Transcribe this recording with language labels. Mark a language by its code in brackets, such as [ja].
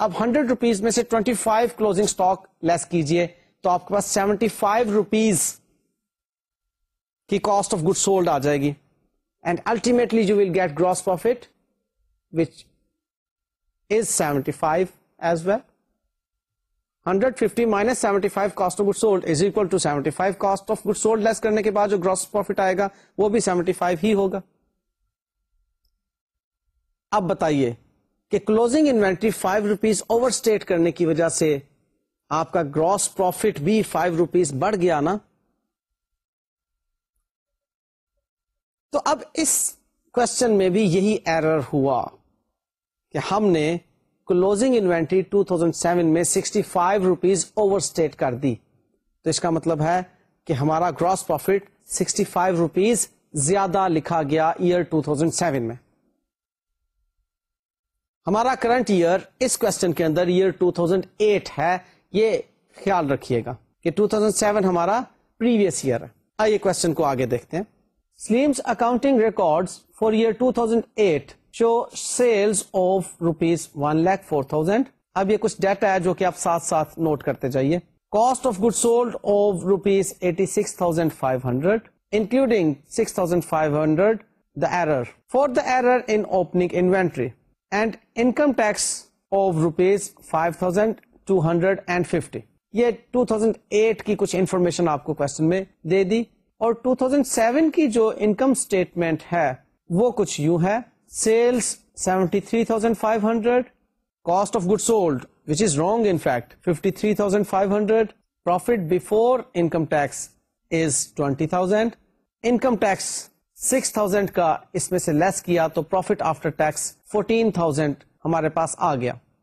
[ur] اب 100 روپیز میں سے 25 کلوزنگ سٹاک لیس کیجئے تو آپ کے پاس 75 روپیز کی کاسٹ آف گڈ سولڈ آ جائے گی, [en] And ultimately you will get gross profit which is 75 as well. 150 minus 75 cost of goods sold is equal to 75 cost of goods sold less [ur] کرنے کے بعد جو gross profit آئے گا وہ بھی 75 ہی ہوگا. اب بتائیے کہ closing inventory 5 rupees overstate کرنے کی وجہ سے آپ کا gross profit بھی 5 rupees بڑھ گیا نا. تو اب اس question میں بھی یہی error ہوا کہ ہم نے کلوزنگ انوینٹری 2007 میں 65 روپیز اوور اسٹیٹ کر دی, تو اس کا مطلب ہے کہ ہمارا گراس پروفٹ 65 روپیز زیادہ لکھا گیا ایئر 2007 میں. ہمارا کرنٹ ایئر اس کوشچن کے اندر ایئر 2008 ہے, یہ خیال رکھیے گا کہ 2007 ہمارا پریویس ایئر ہے. آئیے کوشچن کو آگے دیکھتے ہیں. [en] Salim's accounting records for year 2008 show sales of rupees 1,04,000. [ur] اب یہ کچھ ڈیٹا ہے جو کہ آپ ساتھ ساتھ نوٹ کرتے جائیے. [en] Cost of good sold of rupees 86,500 including 6,500 the error for the error in opening inventory and income tax of rupees 5,250. [ur] یہ 2008 کی کچھ انفارمیشن آپ کو کوشچن میں دے دی, اور 2007 کی جو انکم اسٹیٹمنٹ ہے وہ کچھ یوں ہے. [en] Sales 73,500, cost of goods sold, which is wrong in fact, 53,500, profit before income tax is 20,000, income tax 6,000 [ur] ka is mein se less kiya, toh [en] profit after tax 14,000 [ur] humare paas a gaya.